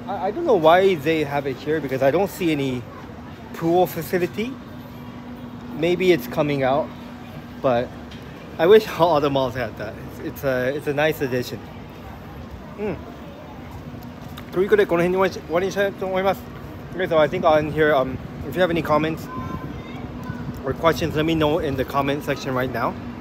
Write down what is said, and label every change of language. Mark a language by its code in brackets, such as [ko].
[en] I don't know why they have it here, because I don't see any pool facility. Maybe it's coming out, but I wish all the malls had that. It's a nice addition. [ja] ということで、この辺に終わりにしたいと思います。 [en] Okay, so I think I'm here. If you have any comments or questions, let me know in the comment section right now.